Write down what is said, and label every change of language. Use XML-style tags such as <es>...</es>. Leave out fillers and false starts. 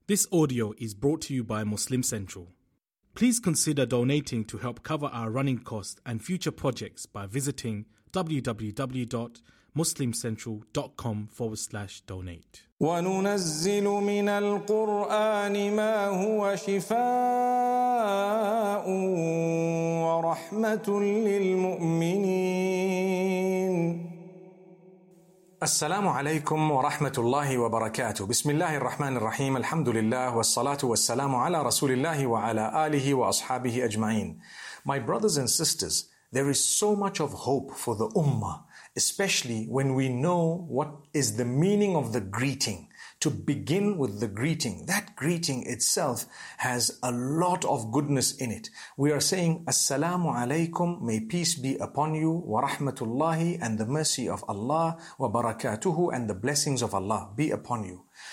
<en>This audio is brought to you by Muslim Central. Please consider donating to help cover our running costs and future projects by visiting www.muslimcentral.com/donate.</en> <ar>وننزل من القرآن ما هو شفاء ورحمة للمؤمنين. السلام عليكم ورحمة الله وبركاته. بسم الله الرحمن الرحيم. الحمد لله والصلاة والسلام على رسول الله وعلى آله وأصحابه أجمعين.</ar> <en>My brothers and sisters, there is so much of hope for the ummah, especially when we know what is the meaning of the greeting. To begin with the greeting, that greeting itself has a lot of goodness in it. We are saying, Assalamu alaykum, may peace be upon you, wa rahmatullahi, and the mercy of Allah, wa barakatuhu, and the blessings of Allah be upon you.</en>